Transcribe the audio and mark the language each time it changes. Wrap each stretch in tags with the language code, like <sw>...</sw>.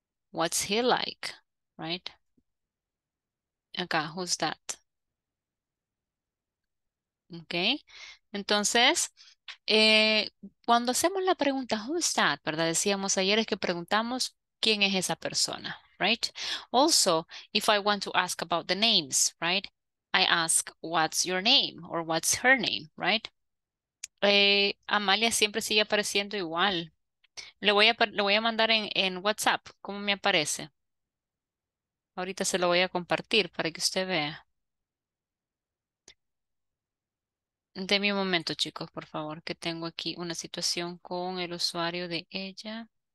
<en>What's he like, right? Acá, who's that?</en> <es>Ok, entonces, cuando hacemos la pregunta,</es> <en>who's that,</en> <es>¿verdad? Decíamos ayer es que preguntamos quién es esa persona, right?</es> <en>Also, if I want to ask about the names, right? I ask, what's your name or what's her name, right?</en> <es>Amalia siempre sigue apareciendo igual. Le voy a mandar en WhatsApp, ¿cómo me aparece? Ahorita se lo voy a compartir para que usted vea. Deme un momento, chicos, por favor, que tengo aquí una situación con el usuario de ella.</es>